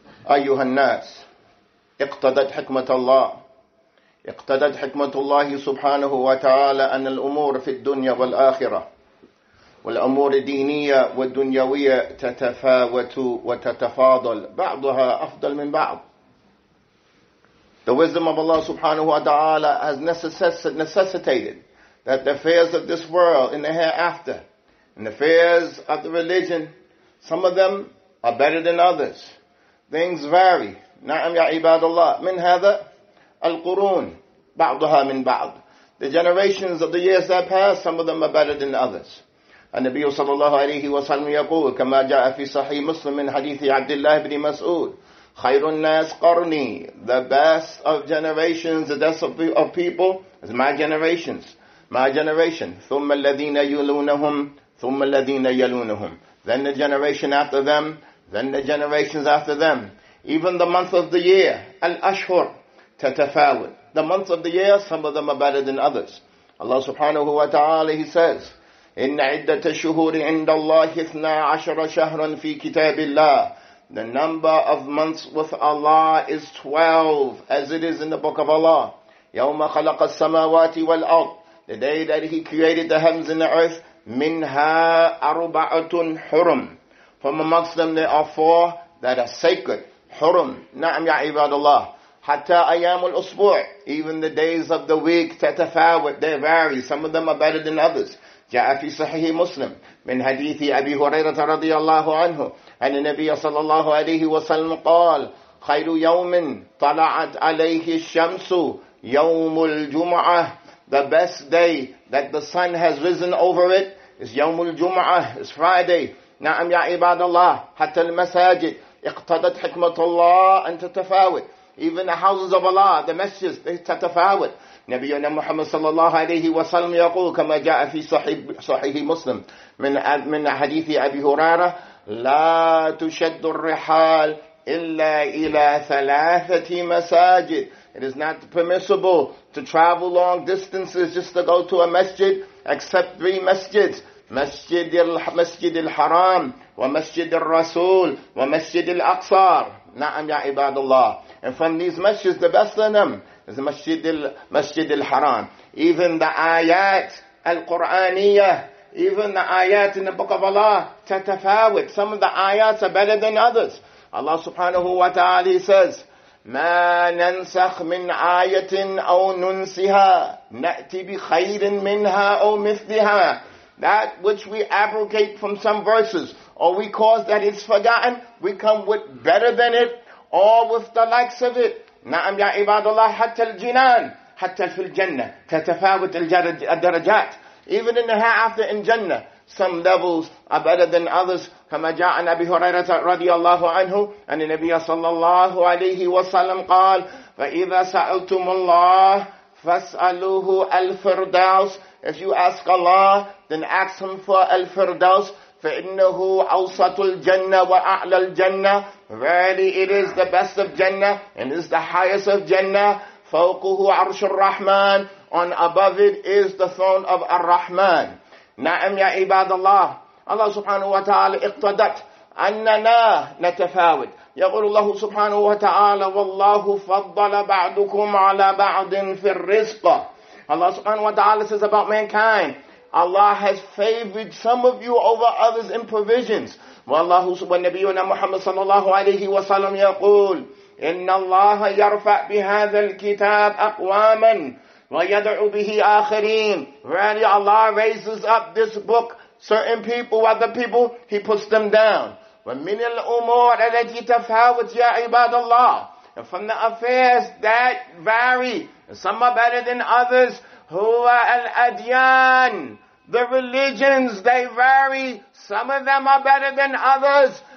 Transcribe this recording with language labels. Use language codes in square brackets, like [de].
[ar] أيها الناس اقتضت حكمة الله اقتضت حكمة الله سبحانه وتعالى أن الأمور في الدنيا والآخرة والأمور الدينية والدنيوية تتفاوت وتتفاضل بعضها أفضل من بعض. [en] The wisdom of Allah subhanahu wa ta'ala has necessitated that the affairs of this world in the hereafter and the affairs of the religion, some of them are better than others. Things vary. [ar] نعم يا عباد الله من هذا القرون بعضها من بعض. [en] The generations of the years that pass, some of them are better than others. [ar] النبي صلى الله عليه وسلم يقول كما جاء في صحيح مسلم من حديث عبد الله بن مسعود خير الناس قرني. [en] The best of generations, the best of people is my generations. My generation. [ar] ثم الذين يلونهم ثم الذين يلونهم. [en] Then the generation after them, then the generations after them. Even the month of the year, [ar] الأشهر تتفاوت. [en] The month of the year, some of them are better than others. [ar] Allah subhanahu wa ta'ala, [en] He says, [ar] إن عدة الشهور عند الله 12 شهرا في كتاب الله. [en] The number of months with Allah is 12, as it is in the book of Allah. [ar] يوم خلق السماوات والأرض. [en] The day that He created the heavens and the earth, [ar] منها أربعة حرم. [en] From amongst them there are four that are sacred. [ar] حرم. نعم يا عباد الله. حتى أيام الأسبوع. [en] Even the days of the week [ar] تتفاوت. [en] They vary. Some of them are better than others. [ar] جاء في صحيح مسلم من حديث أبي هريرة رضي الله عنه أن النبي صلى الله عليه وسلم قال خير يوم طلعت عليه الشمس يوم الجمعة. [en] The best day that the sun has risen over it is [ar] يوم الجمعة, [en] is Friday. [ar] نعم يا عباد الله حتى المساجد اقتضت حكمة الله أن تتفاوت. [en] Even the houses of Allah, the messages, they [ar] تتفاوت. نبينا محمد صلى الله عليه وسلم يقول كما جاء في صحيح مسلم من حديث أبي هريرة لا تشد الرحال إلا إلى ثلاثة مساجد. [en] It is not permissible to travel long distances just to go to a masjid except three masjids. [ar] مسجد الحرام ومسجد الرسول ومسجد الأقصار. نعم يا عباد الله. [en] And from these masjids, the best of them is Masjid al-Haram. Even the ayat al-Qur'aniyah, even the ayat in the book of Allah, [ar] تتفاوت. [en] Some of the ayats are better than others. [ar] Allah subhanahu wa ta'ala [en] says, [ar] ما ننسخ من آية أو ننسها نأتي بخير منها أو مثلها. [en] That which we abrogate from some verses, or we cause that it's forgotten, we come with better than it, or with the likes of it. [ar] نعم يا عباد الله حتى الجنان حتى في الجنة تتفاوت الدرجات. [en] Even in the hereafter in Jannah, some levels are better than others. [ar] كما جاء عن أبي هريرة رضي الله عنه أن النبي صلى الله عليه وسلم قال فإذا سألتم الله فاسألوه الفردوس. [en] If you ask Allah, then ask Him for الفردوس. [ar] فإنه أوسط الجنة وأعلى الجنة. [en] Verily it is the best of Jannah and is the highest of Jannah. [ar] فوقه عرش الرحمن. [en] On above it is the throne of الرحمن. [ar] نعم يا عباد الله. [en] Allah subhanahu wa ta'ala [ar] اقتضت أننا نتفاوت. يقول الله سبحانه وتعالى والله فضل بعضكم على بعض في الرزق. [en] Allah subhanahu wa ta'ala says about mankind, Allah has favored some of you over others in provisions. [ar] والله سبحانه نبينا محمد صلى الله عليه وسلم يقول إن الله يرفع بهذا الكتاب أقواما ويدعو به آخرين. [en] Really, Allah raises up this book certain people, other people He puts them down. [ar] ومن الأمور التي تفاوت يا عباد الله. [en] And from the affairs that vary, some are better than others. [ar] Huwa al-adyan, [en] the religions, they vary. Some of them are better than others.